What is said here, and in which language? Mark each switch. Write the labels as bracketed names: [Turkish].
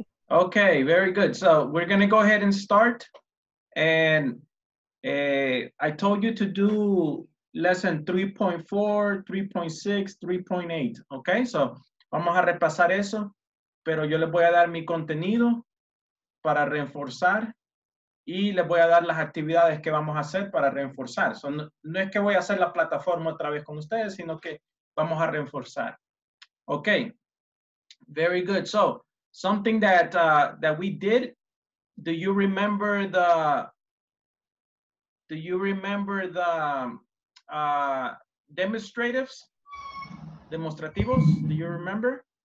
[English] Okay, very good. So we're going to go ahead and start. And I told you to do lesson 3.4, 3.6, 3.8, okay? [Spanish] So, vamos a repasar eso, pero yo les voy a dar mi contenido para reforzar y les voy a dar las actividades que vamos a hacer para reforzar. So, no es que voy a hacer la plataforma otra vez con ustedes, sino que vamos a reforzar. [English] Okay, very good. So, something that that we did, do you remember the demonstratives, demostrativos, do you remember?